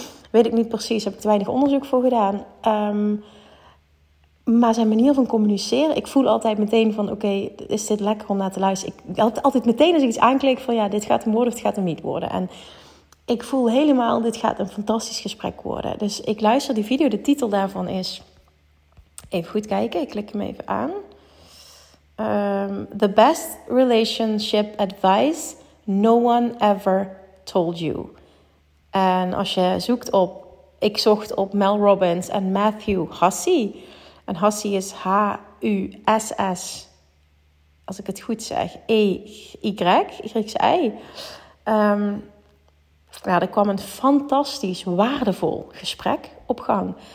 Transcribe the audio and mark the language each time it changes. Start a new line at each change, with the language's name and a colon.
Dutch: Weet ik niet precies, heb ik te weinig onderzoek voor gedaan. Maar zijn manier van communiceren, ik voel altijd meteen van, oké, is dit lekker om naar te luisteren? Ik altijd meteen als ik iets aanklik van, dit gaat hem worden of het gaat hem niet worden. En ik voel helemaal, dit gaat een fantastisch gesprek worden. Dus ik luister die video, de titel daarvan is, even goed kijken, ik klik hem even aan.
English: The best relationship advice no one ever told you.
Dutch: En als je zoekt op, ik zocht op Mel Robbins en Matthew Hussie. En Hussie is H-U-S-S, als ik het goed zeg, E-Y, Griekse I. Ja, er kwam een fantastisch, waardevol gesprek op gang.